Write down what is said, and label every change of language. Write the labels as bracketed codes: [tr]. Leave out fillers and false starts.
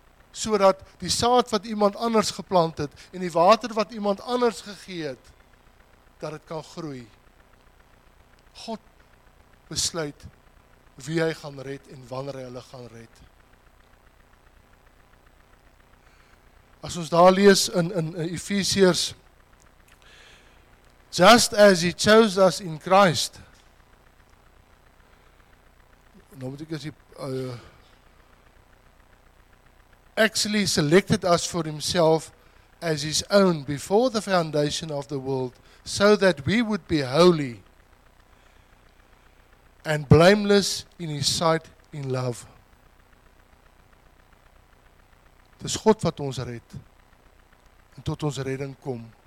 [af] sodat die saad wat iemand anders geplant het en die water wat iemand anders gegee het, dat het kan groei. God besluit wie hy gaan red en wanneer hy hulle gaan red. As ons daar lees in Efesiërs, [en] just as he chose us in Christ, [af] nou moet ek as die, [en] actually selected us for himself as his own before the foundation of the world, so that we would be holy and blameless in his sight in love. [af] Het is God wat ons red en tot ons redding kom.